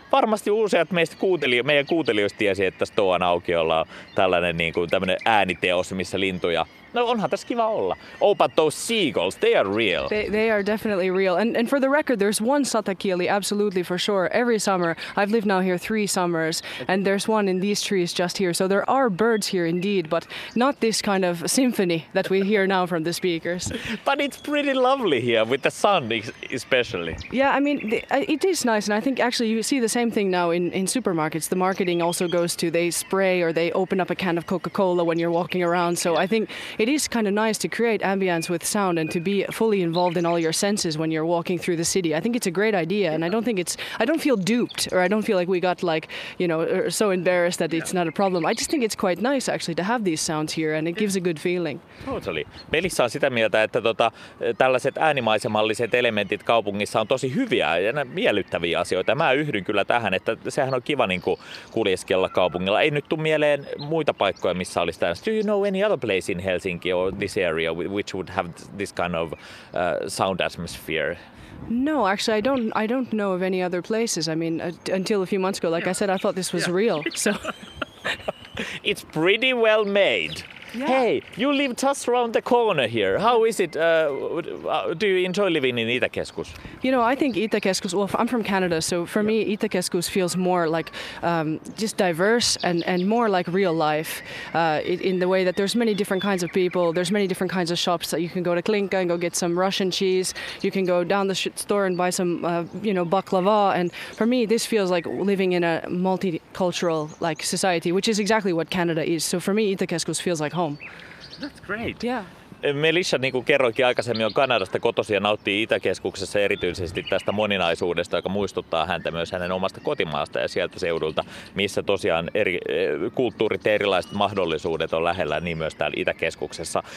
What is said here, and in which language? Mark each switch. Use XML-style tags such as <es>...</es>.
<fi>Varmasti useat meistä meidän kuuntelijoista tiesi, että Stoan aukiolla on tällainen niin kuin, tämmönen ääniteos, missä lintuja. No onhan tässä kiva olla.</fi> <en>Oh, but those seagulls, they are real. They are definitely real. And for the record, there's one satakieli, absolutely, for sure, every summer. I've lived now here 3 summers, and there's one in these trees just here. So there are birds here indeed, but not this kind of symphony that we hear now from the speakers. But it's pretty lovely here, with the sun especially. Yeah, I mean, it is nice, and I think actually you see the same thing now in supermarkets. The marketing also goes to, they spray or they open up a can of Coca-Cola when you're walking around. So yeah. I think it is kind of nice to create ambience with sound and to be fully involved in all your senses when you're walking through the city. I think it's a great idea, and I don't feel duped, or I don't feel like we got, like, you know, so embarrassed that it's not a problem. I just think it's quite nice actually to have these sounds here, and it gives a good feeling. Totally.</en> <fi>Melissa on sitä mieltä, että tota, tällaiset äänimaisemalliset elementit kaupungissa on tosi hyviä ja miellyttäviä asioita. Mä yhdyn kyllä tähän, että sehän on kiva niin kuin kuljeskella kaupungilla. Ei nyt tule mieleen muita paikkoja, missä olisi tämän.</fi> <en>Do you know any other place in Helsinki or this area which would have this kind of sound atmosphere? No, actually, I don't know of any other places. I mean, until a few months ago, like, yeah. I said, I thought this was real. So it's pretty well made. Yeah. Hey, you live just around the corner here. How is it? Do you enjoy living in Itäkeskus? You know, I think Itäkeskus, well, I'm from Canada, so for me, Itäkeskus feels more like just diverse and more like real life in the way that there's many different kinds of people. There's many different kinds of shops that you can go to Klinka and go get some Russian cheese. You can go down the store and buy some, you know, baklava. And for me, this feels like living in a multicultural, like, society, which is exactly what Canada is. So for me, Itäkeskus feels like home. That's great. Yeah.</en> <fi>Melissa, niin kuin kerroikin aikaisemmin, on Kanadasta kotoisin ja nauttii Itäkeskuksessa erityisesti tästä moninaisuudesta, joka muistuttaa häntä myös hänen omasta kotimaasta ja sieltä seudulta, missä tosiaan eri kulttuurit ja erilaiset mahdollisuudet on lähellä, niin myös täällä Itäkeskuksessa.</fi>